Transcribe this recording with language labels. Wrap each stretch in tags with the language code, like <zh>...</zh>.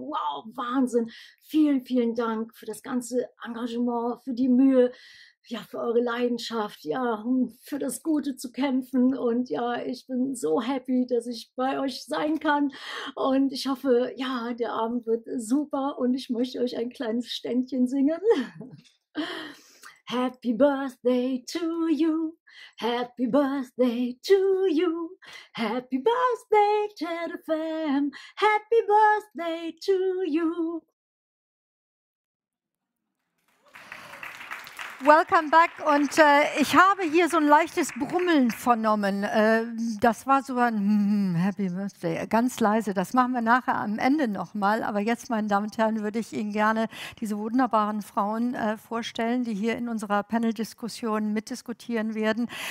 <de>Wow, Wahnsinn. Vielen, vielen Dank für das ganze Engagement, für die Mühe, ja, für eure Leidenschaft, ja, um für das Gute zu kämpfen. Und ja, ich bin so happy, dass ich bei euch sein kann. Und ich hoffe, ja, der Abend wird super und ich möchte euch ein kleines Ständchen singen.</de> <en>Happy birthday to you, happy birthday to you, happy birthday Terre des Femmes, happy birthday to you. Welcome back</en> <de>und ich habe hier so ein leichtes Brummeln vernommen. Das war so ein Happy Birthday, ganz leise. Das machen wir nachher am Ende nochmal. Aber jetzt, meine Damen und Herren, würde ich Ihnen gerne diese wunderbaren Frauen vorstellen, die hier in unserer Panel-Diskussion mitdiskutieren werden.</de>